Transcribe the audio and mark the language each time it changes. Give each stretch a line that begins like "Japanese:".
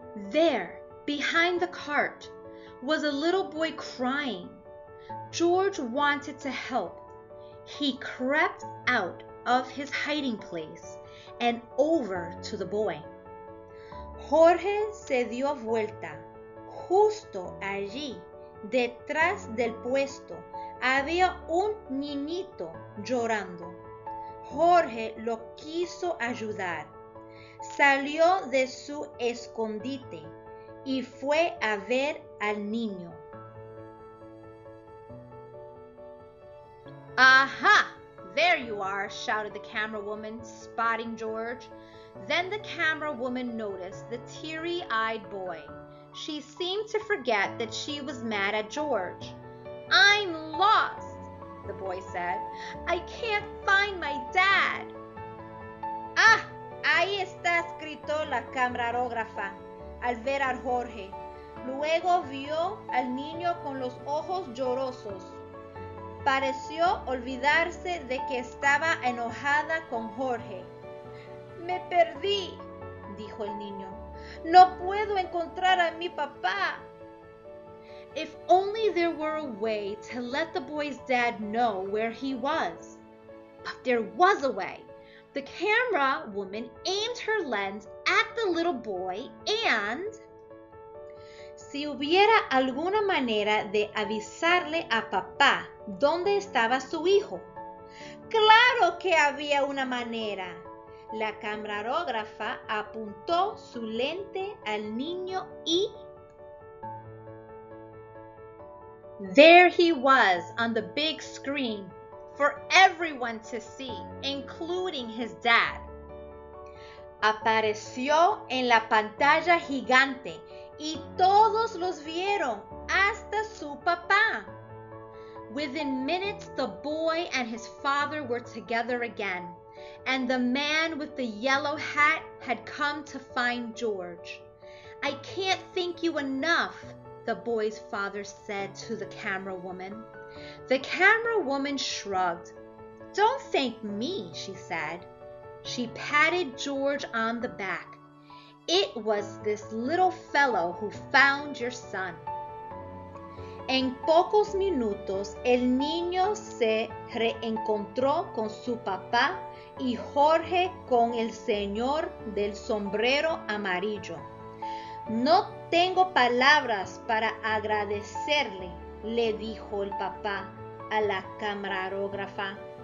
English: There, behind the cart, was a little boy crying. George wanted to help. He crept out of his hiding place and over to the boy.
Spanish: Jorge se dio vuelta. Justo allí, detrás del puesto, había un niñito llorando. Jorge lo quiso ayudar. Salió de su escondite y fue a ver al niño.
English: "Aha! There you are," shouted the camera woman, spotting George. Then the camera woman noticed the teary-eyed boy. She seemed to forget that she was mad at George. "I'm lost," the boy said. "I can't find my dad."
Spanish: "Ah, ahí está," gritó la camarógrafa. al ver a Jorge. Luego vio al niño con los ojos llorosos. Pareció olvidarse de que estaba enojada con Jorge. «Me perdí», dijo el niño. «No puedo encontrar a mi papá».
English: If only there were a way to let the boy's dad know where he was. But there was a way. The camera woman aimed her lens at the little boy and...
Spanish: Si hubiera alguna manera de avisarle a papá dónde estaba su hijo. ¡Claro que había una manera! La camarógrafa apuntó su lente al niño y...
English: There he was on the big screen for everyone to see, including his dad.
Spanish: Apareció en la pantalla gigante y todos los vieron, hasta su papá.
English: Within minutes, the boy and his father were together again, and the man with the yellow hat had come to find George. I can't thank you enough, the boy's father said to the camera woman. The camera woman shrugged. Don't thank me, she said. She patted George on the back. It was this little fellow who found your son.
Spanish: En pocos minutos, el niño se reencontró con su papá y Jorge con el señor del sombrero amarillo. No tengo palabras para agradecerle, le dijo el papá a la camarógrafa.